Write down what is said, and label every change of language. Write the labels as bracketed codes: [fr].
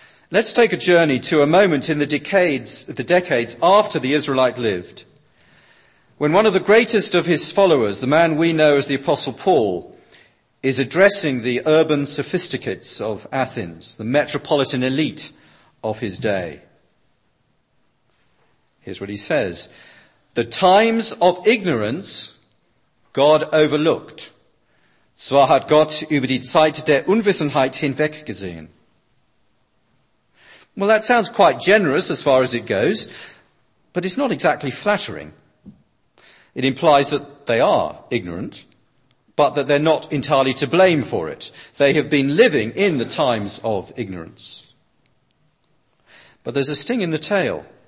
[en] Let's take a journey to a moment in the decades after the Israelite lived, when one of the greatest of his followers, the man we know as the Apostle Paul, is addressing the urban sophisticates of Athens, the metropolitan elite of his day. Here's what he says. The times of ignorance God overlooked. [de] Zwar hat Gott über die Zeit der Unwissenheit hinweg gesehen. [en] Well, that sounds quite generous as far as it goes, but it's not exactly flattering. It implies that they are ignorant, but that they're not entirely to blame for it. They have been living in the times of ignorance. But there's a sting in the tale.